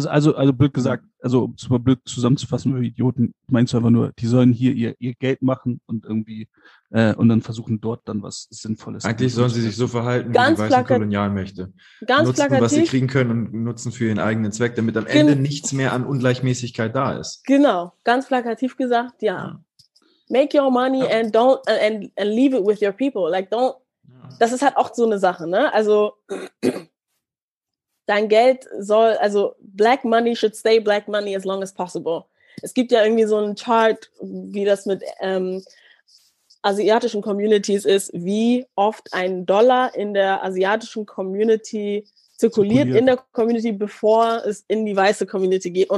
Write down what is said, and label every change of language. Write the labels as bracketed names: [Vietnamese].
[German] Also blöd gesagt, also um es mal blöd zusammenzufassen, wir Idioten, meinst du einfach nur, die sollen hier ihr Geld machen und irgendwie und dann versuchen dort dann was Sinnvolles. Eigentlich sollen sie sich so verhalten wie die weißen Kolonialmächte. Ganz nutzen, plakativ, was sie kriegen können und nutzen für ihren eigenen Zweck, damit am Ende nichts mehr an Ungleichmäßigkeit da ist. Genau, ganz plakativ gesagt, ja. [English] Make your money and leave it with your people. Like don't. Ja. [German] Das ist halt auch so eine Sache, ne? Also dein Geld soll, also [English] black money should stay black money as long as possible. [German] Es gibt ja irgendwie so einen Chart, wie das mit asiatischen Communities ist, wie oft ein Dollar in der asiatischen Community zirkuliert in der Community, bevor es in die weiße Community geht.